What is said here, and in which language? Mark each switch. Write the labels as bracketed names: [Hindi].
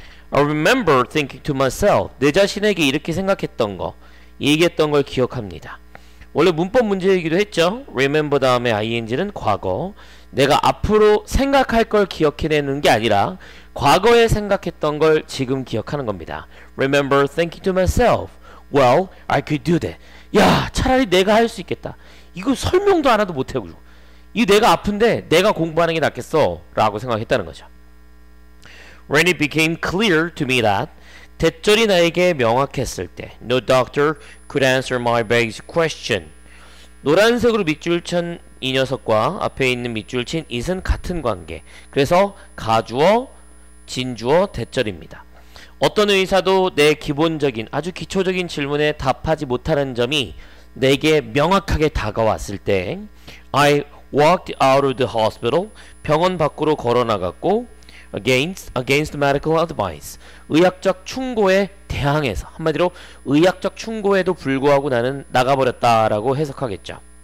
[English] I remember thinking to myself, [Korean] 내 자신에게 이렇게 생각했던 거, 얘기했던 걸 기억합니다. 원래 문법 문제이기도 했죠. remember 다음에 ing는 과거. 내가 앞으로 생각할 걸 기억해내는 게 아니라 과거에 생각했던 걸 지금 기억하는 겁니다. [English] Remember thinking to myself, well, I could do that. [Korean] 야, 차라리 내가 할수 있겠다. 이거 설명도 안 해도 못해. 이거 내가 아픈데 내가 공부하는 게 낫겠어. 라고 생각했다는 거죠. [English] When it became clear to me that [Korean] 대절이 나에게 명확했을 때 [English] No doctor could answer my basic question. [Korean] 노란색으로 밑줄 친이 녀석과 앞에 있는 밑줄 친 it은 같은 관계. 그래서 가주어, 진주어, 대절입니다. 어떤 의사도 내 기본적인 아주 기초적인 질문에 답하지 못하는 점이 내게 명확하게 다가왔을 때 [English] I walked out of the hospital, [Korean] 병원 밖으로 걸어나갔고 [English] against medical advice, [Korean] 의학적 충고에 대항해서 한마디로 의학적 충고에도 불구하고 나는 나가버렸다라고 해석하겠죠.